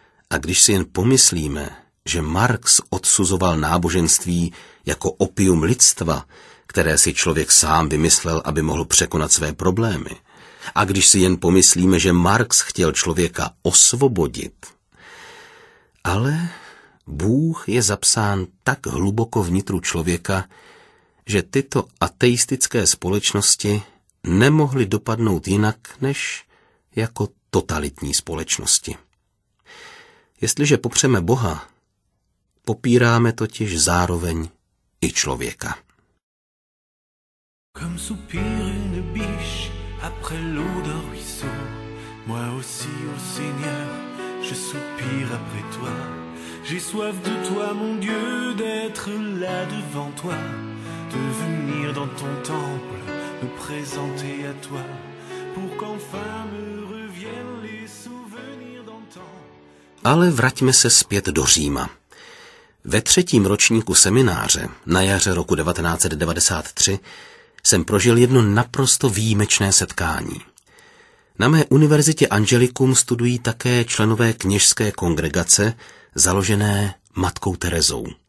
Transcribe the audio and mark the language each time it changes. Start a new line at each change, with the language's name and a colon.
Czech: A když si jen pomyslíme, že Marx odsuzoval náboženství jako opium lidstva, které si člověk sám vymyslel, aby mohl překonat své problémy, a když si jen pomyslíme, že Marx chtěl člověka osvobodit, ale Bůh je zapsán tak hluboko vnitru člověka, že tyto ateistické společnosti nemohly dopadnout jinak než jako totalitní společnosti. Jestliže popřeme Boha, popíráme totiž zároveň i člověka.
French: Comme soupire une biche après l'eau d'un ruisseau, moi aussi, ô Seigneur, je soupire après toi. J'ai soif de toi, mon Dieu, d'être là devant toi, de venir dans ton temple, me présenter à toi, pour qu'enfin me reviennent les souvenirs d'antan.
Czech: Ale vraťme se zpět do Říma. Ve třetím ročníku semináře, na jaře roku 1993, jsem prožil jedno naprosto výjimečné setkání. Na mé univerzitě Angelicum studují také členové kněžské kongregace, založené Matkou Terezou.